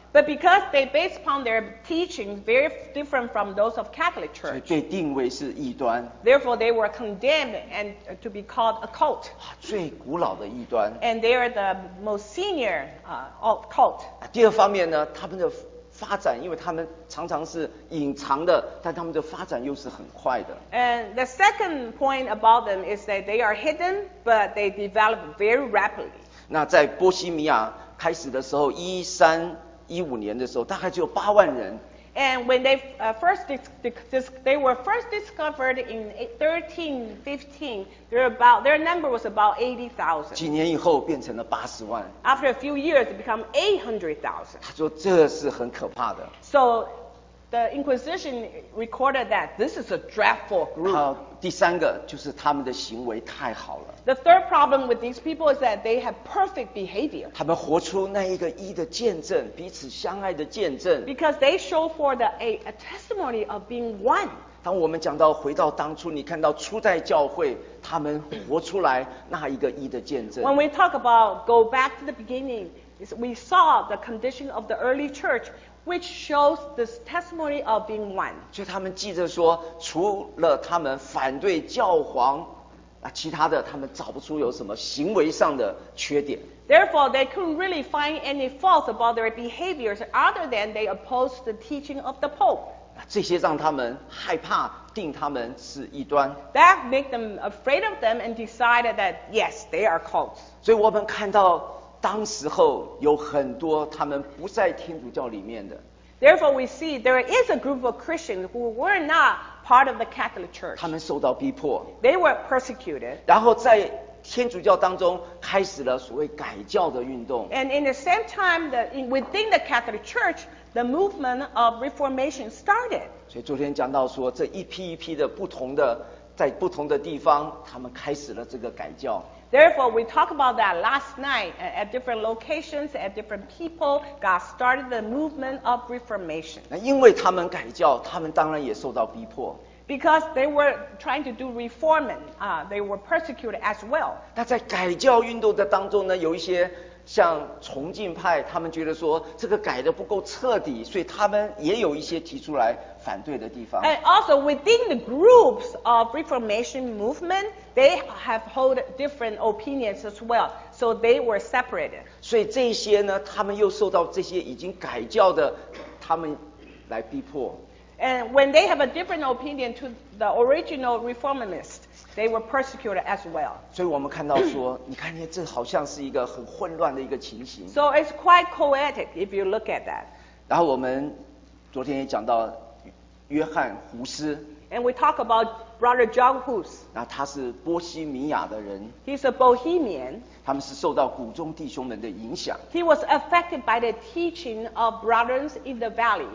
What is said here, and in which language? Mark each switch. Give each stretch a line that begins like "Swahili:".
English: But because they based upon their teaching very different from those of Catholic Church.
Chinese: 所以被定位是异端。
English: Therefore, they were condemned and to be called a cult.
Chinese: 最古老的异端。
English: And they are the most senior of cult.
Chinese: 第二方面呢，他们的发展，因为他们常常是隐藏的，但他们的发展又是很快的。
English: And the second point about them is that they are hidden, but they develop very rapidly.
Chinese: 那在波西米亚开始的时候，1315年的时候，大概只有8万人。
English: And when they first they were first discovered in 1315, their number was about 80,000.
Chinese: 几年以后变成了80万。
English: After a few years, it became 800,000.
Chinese: 他说这是很可怕的。
English: So the Inquisition recorded that this is a dreadful group.
Chinese: 第三个就是他们的行为太好了。
English: The third problem with these people is that they have perfect behavior.
Chinese: 他们活出那一个一的见证，彼此相爱的见证。
English: Because they show forth a testimony of being one.
Chinese: 当我们讲到回到当初，你看到初代教会他们活出来那一个一的见证。
English: When we talk about go back to the beginning, we saw the condition of the early church. Which shows this testimony of being one.
Chinese: 就他们记着说，除了他们反对教皇，其他的他们找不出有什么行为上的缺点。
English: Therefore, they couldn't really find any faults about their behaviors other than they opposed the teaching of the Pope.
Chinese: 这些让他们害怕，定他们是异端。
English: That made them afraid of them and decided that yes, they are cults.
Chinese: 所以我们看到。当时候有很多他们不在天主教里面的。
English: Therefore, we see there is a group of Christians who were not part of the Catholic Church.
Chinese: 他们受到逼迫。
English: They were persecuted.
Chinese: 然后在天主教当中开始了所谓改教的运动。
English: And in the same time, within the Catholic Church, the movement of Reformation started.
Chinese: 所以昨天讲到说，这一批一批的不同的，在不同的地方，他们开始了这个改教。
English: Therefore, we talked about that last night at different locations, at different people, God started the movement of Reformation.
Chinese: 那因为他们改教，他们当然也受到逼迫。
English: Because they were trying to do reforming, they were persecuted as well.
Chinese: 那在改教运动的当中呢，有一些像崇敬派，他们觉得说这个改的不够彻底，所以他们也有一些提出来反对的地方。
English: And also within the groups of Reformation movement, they have held different opinions as well, so they were separated.
Chinese: 所以这些呢，他们又受到这些已经改教的他们来逼迫。
English: And when they have a different opinion to the original reformists, they were persecuted as well.
Chinese: 所以我们看到说，你看见这好像是一个很混乱的一个情形。
English: So it's quite chaotic if you look at that.
Chinese: 然后我们昨天也讲到约翰胡斯。
English: And we talk about Brother John Hus.
Chinese: 那他是波西米亚的人。
English: He's a Bohemian.
Chinese: 他们是受到谷中弟兄们的影响。
English: He was affected by the teaching of brothers in the valley.